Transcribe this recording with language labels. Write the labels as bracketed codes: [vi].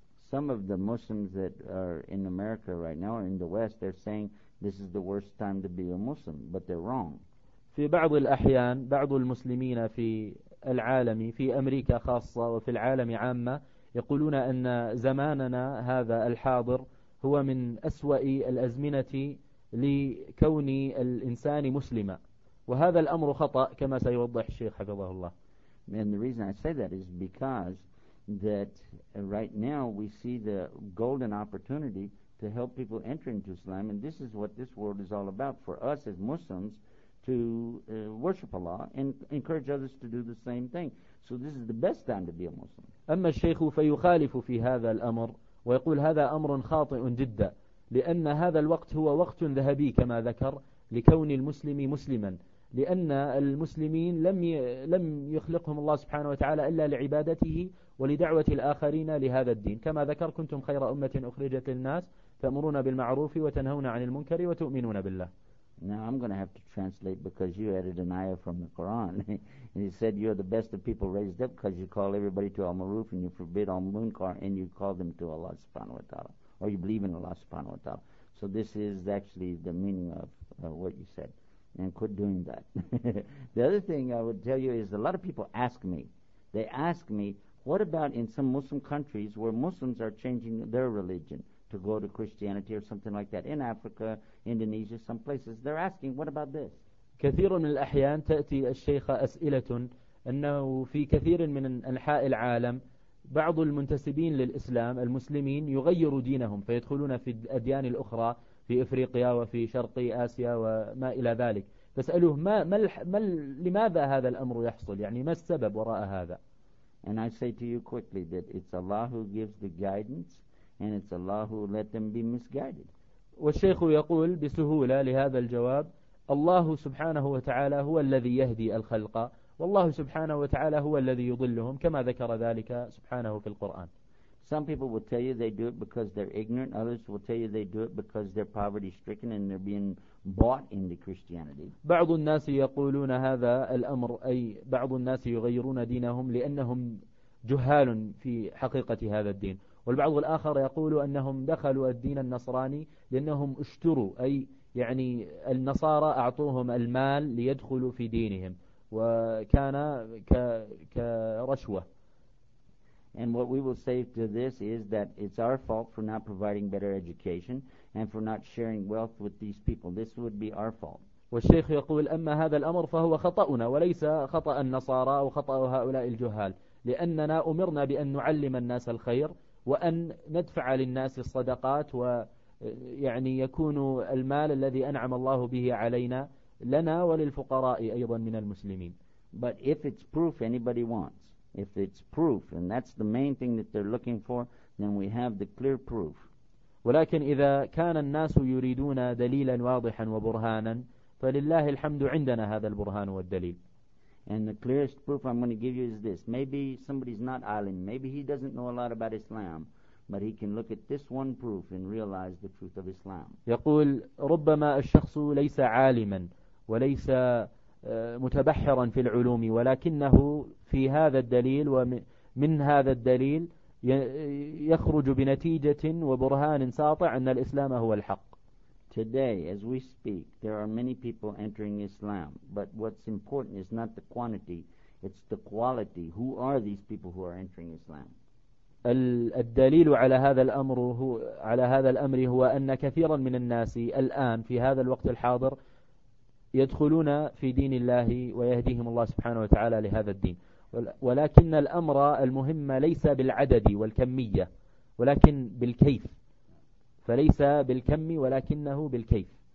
[en] Some of the Muslims that are in America right now, in the West, they're saying this is the worst time to be a Muslim, but they're wrong. [ar] في بعض الأحيان بعض المسلمين في العالم في أمريكا خاصة وفي العالم عامة يقولون أن زماننا هذا الحاضر هو من أسوأ الأزمنة لكون الإنسان مسلما، وهذا الأمر خطأ كما سيوضح الشيخ حفظه الله. [en] And the reason I say that is because that right now we see the golden opportunity to help people enter into Islam, and this is what this world is all about for us as Muslims, to worship Allah and encourage others to do the same thing. So this is the best time to be a Muslim. [ar] أما الشيخ فيخالف في هذا الأمر ويقول هذا أمر خاطئ جدا، لأن هذا الوقت هو وقت ذهبي كما ذكر لكون المسلم مسلما، لأن المسلمين لم يخلقهم الله سبحانه وتعالى إلا لعبادته ولدعوة الآخرين لهذا الدين، كما ذكر كنتم خير أمة أخرجت للناس تأمرون بالمعروف وتنهون عن المنكر وتؤمنون بالله. [en] Now I'm going to have to translate because you added an ayah from the Quran. And he said you're the best of people raised up because you call everybody to al-maruf and you forbid al-munkar and you call them to Allah subhanahu wa ta'ala, or you believe in Allah subhanahu wa ta'ala. So this is actually the meaning of what you said, and quit doing that. The other thing I would tell you is a lot of people ask me, they ask me, what about in some Muslim countries where Muslims are changing their religion to go to Christianity or something like that, in Africa, Indonesia, some places, they're asking, what about this? [ar] كثير من الأحيان تأتي الشيخ أسئلة أنه في كثير من أنحاء العالم بعض المنتسبين للإسلام المسلمين يغيروا دينهم فيدخلون في الأديان الأخرى في إفريقيا وفي شرق آسيا وما إلى ذلك، فاسألوه لماذا هذا الأمر يحصل، يعني ما السبب وراء هذا؟ [en] And I say to you quickly that it's Allah who gives the guidance and it's Allah who let them be misguided. [ar] والشيخ يقول بسهولة لهذا الجواب، الله سبحانه وتعالى هو الذي يهدي الخلق والله سبحانه وتعالى هو الذي يضلهم كما ذكر ذلك سبحانه في القرآن. [en] Some people will tell you they do it because they're ignorant. Others will tell you they do it because they're poverty stricken and they're being bought into Christianity. [ar] بعض الناس يقولون هذا الأمر، أي بعض الناس يغيرون دينهم لأنهم جهال في حقيقة هذا الدين، والبعض الآخر يقول أنهم دخلوا الدين النصراني لأنهم اشتروا، أي يعني النصارى أعطوهم المال ليدخلوا في دينهم وكان كرشوة. [en] And what we will say to this is that it's our fault for not providing better education and for not sharing wealth with these people. This would be our fault. [ar] والشيخ يقول أما هذا الأمر فهو خطأنا وليس خطأ النصارى أو خطأ هؤلاء الجهال، لأننا أمرنا بأن نعلم الناس الخير وأن ندفع للناس الصدقات، ويعني يكون المال الذي أنعم الله به علينا لنا وللفقراء أيضا من المسلمين. [en] But if it's proof anybody wants, if it's proof and that's the main thing that they're looking for, then we have the clear proof. [ar] ولكن إذا كان الناس يريدون دليلا واضحا وبرهانا فلله الحمد عندنا هذا البرهان والدليل. [en] And the clearest proof I'm going to give you is this. Maybe somebody's not alim. Maybe he doesn't know a lot about Islam. But he can look at this one proof and realize the truth of Islam. [ar] يقول ربما الشخص ليس عالما وليس متبحرا في العلوم ولكنه في هذا الدليل ومن هذا الدليل يخرج بنتيجة وبرهان ساطع أن الإسلام هو الحق. [en] Today, as we speak, there are many people entering Islam. But what's important is not the quantity, it's the quality. Who are these people who are entering Islam? [ar] الدليل على هذا الأمر هو على هذا الأمر هو أن كثيرا من الناس الآن في هذا الوقت الحاضر يدخلون في دين الله ويهديهم الله سبحانه وتعالى لهذا الدين. ولكن الأمر المهم ليس بالعدد والكمية ولكن بالكيف، فليس بالكم ولكنه بالكيف.